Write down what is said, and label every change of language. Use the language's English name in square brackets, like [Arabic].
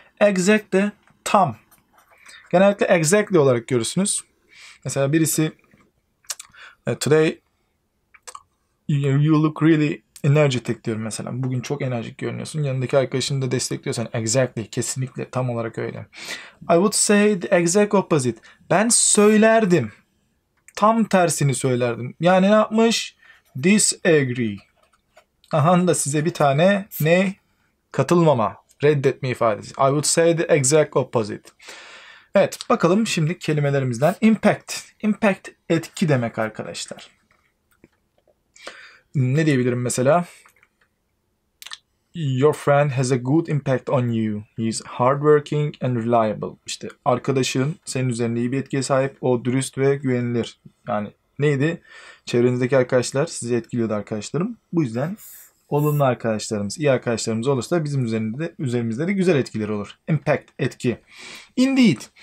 [Turkish] Exact de tam. Genellikle exactly olarak görürsünüz. Mesela birisi [English] today you look really energetic [Turkish] diyorum mesela. Bugün çok enerjik görünüyorsun. Yanındaki arkadaşını da destekliyorsan exactly kesinlikle tam olarak öyle. [English] I would say the exact opposite. [Turkish] Ben söylerdim. Tam tersini söylerdim. Yani ne yapmış? Disagree. Aha da size bir tane ne? Katılmama, reddetme ifadesi. [English] I would say the exact opposite. [Turkish] Evet, bakalım şimdi kelimelerimizden. Impact. Impact, etki demek arkadaşlar. Ne diyebilirim mesela? [English] Your friend has a good impact on you. He's hardworking and reliable. [Turkish] İşte arkadaşın senin üzerinde iyi bir etkiye sahip. O dürüst ve güvenilir. Yani neydi? Çevrenizdeki arkadaşlar sizi etkiliyordu arkadaşlarım. Bu yüzden... Olumlu arkadaşlarımız, iyi arkadaşlarımız olursa bizim üzerimizde de güzel etkileri olur. Impact, etki. Indeed.